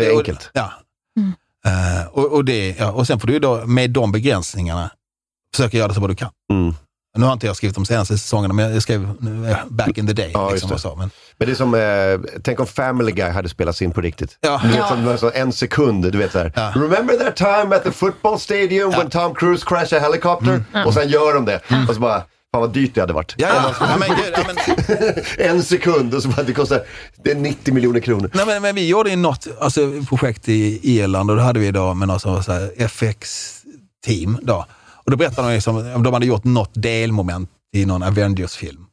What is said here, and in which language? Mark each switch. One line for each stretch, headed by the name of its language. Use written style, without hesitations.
Swedish: Det är enkelt. Och sen får du ju då, med de begränsningarna, försöka göra det så vad du kan. Mm. Nu har inte jag skrivit de senaste säsongerna, men jag skrev Back in the Day. Ja, liksom, så, men det är som, tänk om Family Guy hade spelats in på riktigt. En sekund, du vet så här. Ja.
English: Remember that time at the football stadium when Tom Cruise crashed a helicopter?
Swedish: Mm. Och sen gör de det. Mm. Och så bara, fan vad dyrt det hade varit. Ja, men. En sekund, och så bara, det kostar, det är 90 miljoner kronor. Nej, men vi gjorde ju något alltså, projekt i Irland, och då hade vi då med något sånt här FX-team då. Och då berättade de om liksom, de hade gjort något delmoment i någon Avengers-film.